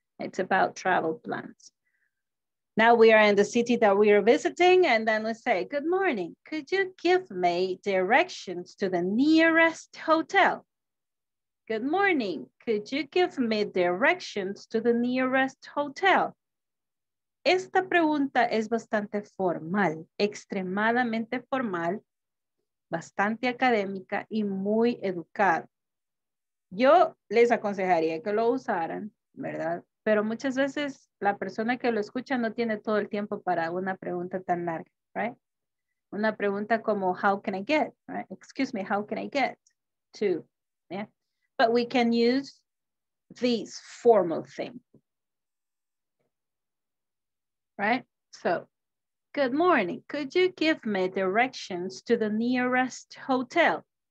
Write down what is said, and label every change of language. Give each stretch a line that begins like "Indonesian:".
English: It's about travel plans. Now we are in the city that we are visiting, and then we say, good morning, could you give me directions to the nearest hotel? Good morning, could you give me directions to the nearest hotel?
Spanish: Esta pregunta es bastante formal, extremadamente formal, bastante académica y muy educada. Yo les aconsejaría que lo usaran, ¿verdad? Pero muchas veces la persona que lo escucha no tiene todo el tiempo para una pregunta tan larga, ¿right? Una pregunta como,
English: how can I get, right? Excuse me, how can I get to, yeah? But we can use this formal thing, right? So, good morning. Could you give me directions to the nearest hotel?